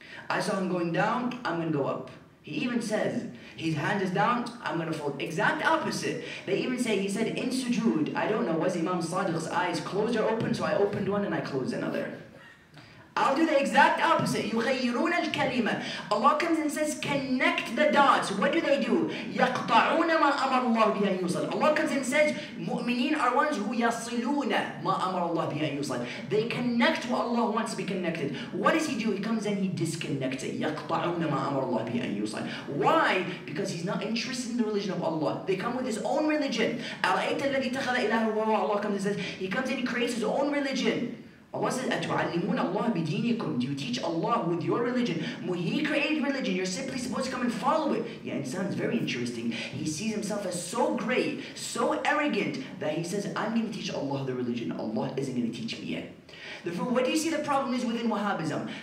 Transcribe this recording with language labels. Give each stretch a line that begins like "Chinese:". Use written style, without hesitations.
English: I saw him going down, I'm going to go up. He even says, his hand is down, I'm going to fold. Exact opposite. They even say, he said, in sujood, I don't know, was Imam Sadiq's eyes closed or open? So I opened one and I closed another. I'll do the exact opposite.
Arabic: يغيرون الكلمة.
English: Allah comes and says, connect the dots. What do they do?
Arabic: يقطعون ما أمر الله به أن يوصل.
English: Allah comes and says,
Arabic: مؤمنين
English: are ones who
Arabic: يصلون ما أمر الله به أن يوصل.
English: They connect what Allah wants to be connected. What does he do? He comes and he disconnects it.
Arabic: يقطعون ما أمر الله به أن يوصل.
English: Why? Because he's not interested in the religion of Allah. They come with his own religion.
Arabic: أرأيت الذي اتخذ إله هواه.
English: Allah comes and says, he comes and he creates his own religion. Allah says,
Arabic: أَتُعَلِّمُونَ اللَّهَ بِدِينِكُمْ.
English: Do you teach Allah with your religion? He created religion. You're simply supposed to come and follow it. Yeah, it sounds very interesting. He sees himself as so great, so arrogant, that he says, I'm going to teach Allah the religion. Allah isn't going to teach me yet. Therefore, what do you see the problem is within Wahhabism?